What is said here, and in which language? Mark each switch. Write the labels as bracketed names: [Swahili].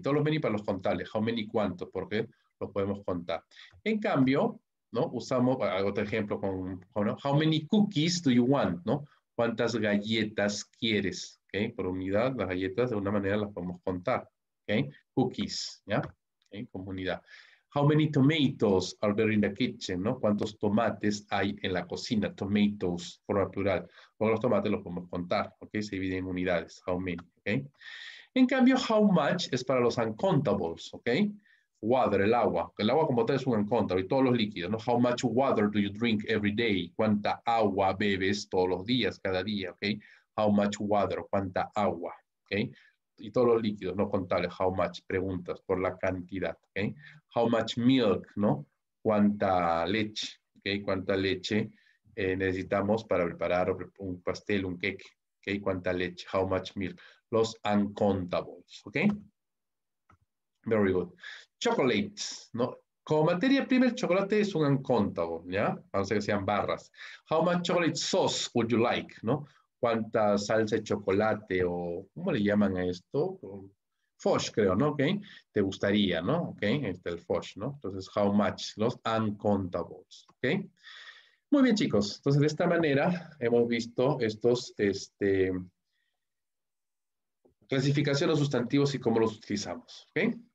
[Spanish] Todos los many para los contables, how many, cuántos, porque los podemos contar. En cambio, ¿no? Usamos, hago otro ejemplo con ¿no? [English] How many cookies do you want, ¿no? [Spanish] ¿Cuántas galletas quieres, [English] ¿ok? [Spanish] Por unidad, las galletas de una manera las podemos contar, ¿ok? Cookies, ¿ya? ¿Ok? Como unidad. [English] How many tomatoes are there in the kitchen, ¿no? [Spanish] ¿Cuántos tomates hay en la cocina? Tomatoes, forma plural. Bueno, los tomates los podemos contar, ¿ok? Se divide en unidades, how many, ¿ok? En cambio, how much es para los uncountables, ¿ok? Water, el agua. El agua como tal es un uncountable y todos los líquidos, ¿no? [English] How much water do you drink every day? [Spanish] ¿Cuánta agua bebes todos los días, cada día, ¿ok? [English] How much water, [Spanish] cuánta agua, ¿ok? Y todos los líquidos, no contables, how much, preguntas por la cantidad, ¿ok? [English] How much milk, [Spanish] ¿no? ¿Cuánta leche, ok? ¿Cuánta leche necesitamos para preparar un pastel, un cake, ok? ¿Cuánta leche? [English] How much milk. [Spanish] Los uncountables, ¿ok? [English] Very good. [Spanish] Chocolate, ¿no? Como materia prima, el chocolate es un uncountable, ¿ya? A no ser que sean barras. [English] How much chocolate sauce would you like, ¿no? [Spanish] ¿Cuánta salsa de chocolate o cómo le llaman a esto? Foch, creo, ¿no? ¿Ok? Te gustaría, ¿no? ¿Ok? Está el Foch, ¿no? Entonces, how much? Los uncountables, ¿ok? Muy bien, chicos. Entonces, de esta manera hemos visto estos, clasificaciones de sustantivos y cómo los utilizamos, ¿ok?